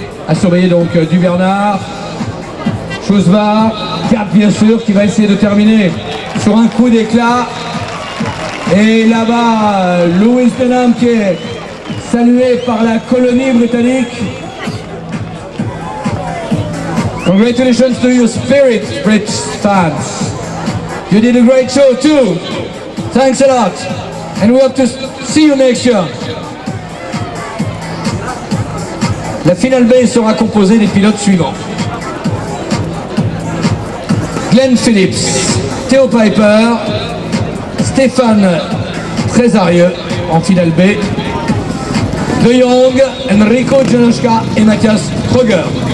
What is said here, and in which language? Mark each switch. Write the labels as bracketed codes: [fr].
[fr] À surveiller donc Dubernard, Schusbar, Kat bien sûr, qui va essayer de terminer sur un coup d'éclat. Et là-bas, Louis Denham qui est salué par la colonie britannique. [en] Congratulations to your spirit, British fans. You did a great show too. Thanks a lot. And we hope to see you next year. [fr] La finale B sera composée des pilotes suivants. Glenn Phillips, Theo Piper, Stéphane Trésarieux en finale B, De Jong, Enrico Janoschka et Mathias Kröger.